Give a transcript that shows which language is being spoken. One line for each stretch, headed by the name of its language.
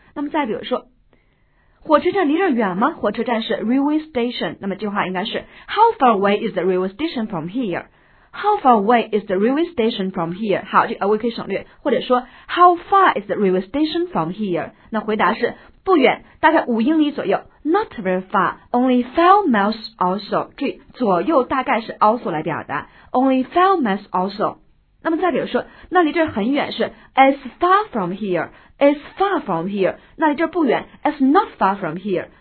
Chinese: 那么再比如说火车站离这儿远吗？火车站是 railway station. 那么句话应该是
English: How far away is the railway station from here? How far away is the railway station from here?
Chinese: 好，这个 away 可以省略。或者说
English: How far is the railway station from here?
Chinese: 那回答是不远，大概5英里左右。
English: Not very far, only 5 miles also.
Chinese: 注意，左右大概是
English: also
Chinese: 来表达。
English: Only 5 miles also.
Chinese: 那么再比如说，那离这儿很远是
English: as far from here. It's far from here.
Chinese: 那离这儿不远
English: It's not far from here.